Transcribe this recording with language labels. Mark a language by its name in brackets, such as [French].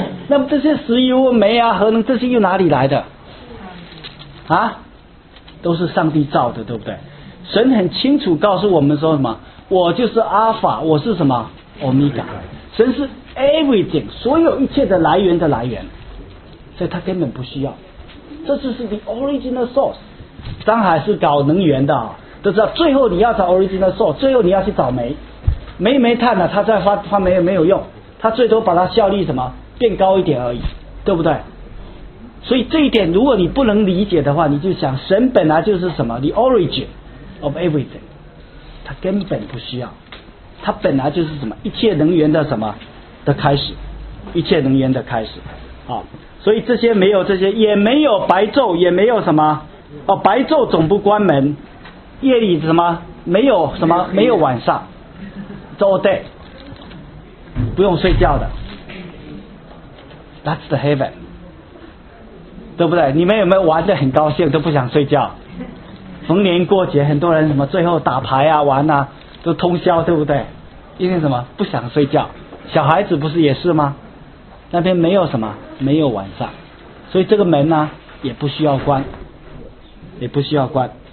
[Chinese] 那么这些石油煤啊核能，这些又哪里来的啊？都是上帝造的，对不对？神很清楚告诉我们说什么，我就是阿法，我是什么 Omega。神是 everything， 所有一切的来源的来源，所以他根本不需要。这就是 [English] the original source。 [Chinese] 张海是搞能源的啊，都知道最后你要找 [English] original source， [Chinese] 最后你要去找煤，煤煤炭呢、啊、它再发煤也没有用，它最多把它效率什么变高一点而已，对不对？所以这一点如果你不能理解的话，你就想神本来就是什么 [English] the origin of everything， [Chinese] 它根本不需要，它本来就是什么一切能源的什么的开始，一切能源的开始。好，所以这些没有，这些也没有白昼，也没有什么白昼总不关门，夜里什么没有，什么没有晚上，都 [English] all day， [Chinese] 不用睡觉的。 [English] That's the heaven， [Chinese] 对不对？你们有没有玩得很高兴都不想睡觉？逢年过节很多人什么最后打牌啊玩啊都通宵，对不对？因为什么？不想睡觉。小孩子不是也是吗？那边没有什么，没有晚上，所以这个门呢、啊、也不需要关，也不需要关。